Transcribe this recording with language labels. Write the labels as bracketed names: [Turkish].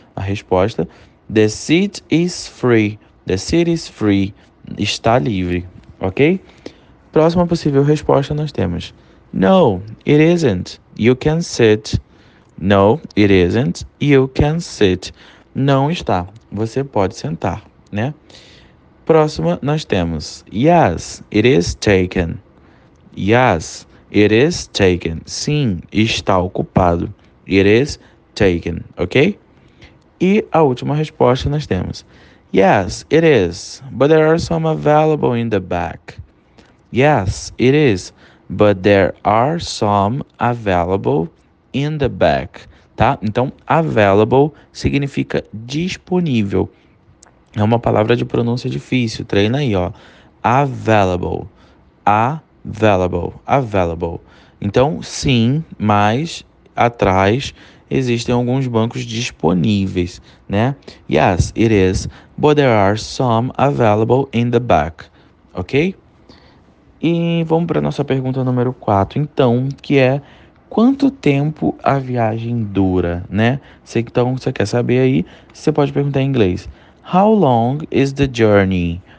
[Portuguese] A resposta: [English] The seat is free. The seat is free. [Portuguese] Está livre. [English] Ok? [Portuguese] Próxima possível resposta nós temos: [English] No, it isn't. You can sit. No, it isn't. You can sit. [Portuguese] Não está. Você pode sentar, né? Próxima nós temos: [English] Yes, it is taken. Yes, it is taken. [Portuguese] Sim, está ocupado. [English] It is taken, ok? [Portuguese] E a última resposta nós temos: [English] Yes, it is, but there are some available in the back. Yes, it is, but there are some available in the back. [Portuguese] Tá? Então, available significa disponível. É uma palavra de pronúncia difícil. Treina aí, ó. Available. Available. Available. Então, sim, mas atrás existem alguns bancos disponíveis, né? [English] Yes, it is. But there are some available in the back. Ok? [Portuguese] E vamos para nossa pergunta número 4, então, que é: Quanto tempo a viagem dura, né? Se então você quer saber aí, você pode perguntar em inglês: [English] How long is the journey?